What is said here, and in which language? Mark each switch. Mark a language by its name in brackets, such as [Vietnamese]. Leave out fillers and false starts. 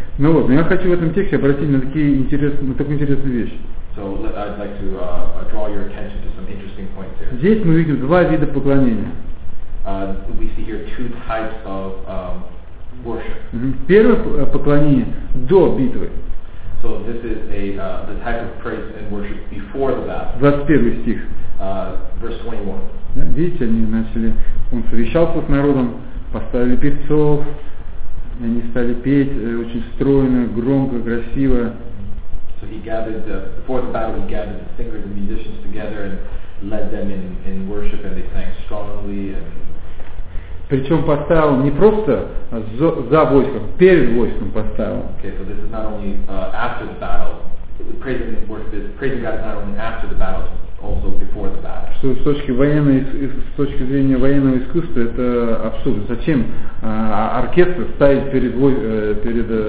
[Russian] Ну вот, но я хочу в этом тексте обратить на такую интересную вещь. [English] So I'd like to draw your attention to some interesting points here. [Russian] Здесь мы видим два вида поклонения. [English] We see here two types of worship. [Russian] Первое поклонение до битвы. [English] So this is the type of praise and worship before the battle. [Russian] 21 стих. [English] Verse 21. [Russian] Видите, они начали. Он совещался с народом, поставили певцов, они стали петь очень стройно, громко, красиво. [English] So he gathered before the battle. He gathered the singers and musicians together and led them in worship, and they sang strongly and. [Russian] Причем поставил не просто за войском, перед войском поставил. [English] Okay, so this is not only after the battle. Praising and worship is praising God not only after the battle, but also before the battle. [Russian] Что с точки зрения военного искусства это абсурд. Зачем оркестр ставить перед перед.